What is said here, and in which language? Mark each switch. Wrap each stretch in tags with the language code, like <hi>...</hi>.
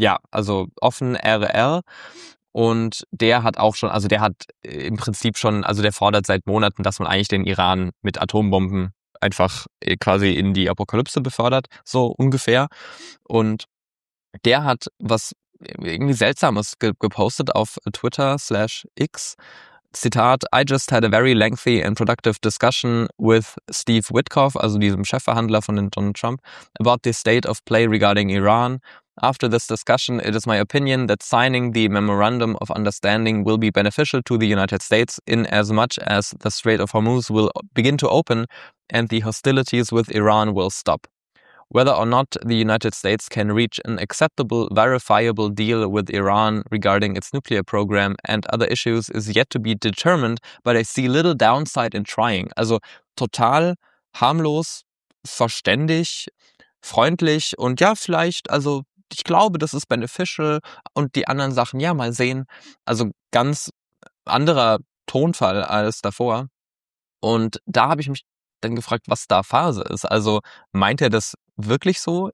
<de>also, offen RR und der hat auch schon, also der hat im Prinzip schon, also der fordert seit Monaten, dass man eigentlich den Iran mit Atombomben einfach quasi in die Apokalypse befördert, so ungefähr. Und der hat was irgendwie Seltsames gepostet auf Twitter/X,</de> <en>Zitat, I just had a very lengthy and productive discussion with Steve Witkoff,</en> <de>also diesem Chefverhandler von Donald Trump,</de> <en>about the state of play regarding Iran. After this discussion, it is my opinion that signing the Memorandum of Understanding will be beneficial to the United States in as much as the Strait of Hormuz will begin to open and the hostilities with Iran will stop. Whether or not the United States can reach an acceptable, verifiable deal with Iran regarding its nuclear program and other issues is yet to be determined, but I see little downside in trying.</en> <de>Also total harmlos, verständig, freundlich und ja, vielleicht, also ich glaube, das ist beneficial und die anderen Sachen, ja, mal sehen. Also ganz anderer Tonfall als davor. Und da habe ich mich dann gefragt, was da Phase ist. Also meint er das wirklich so?</de>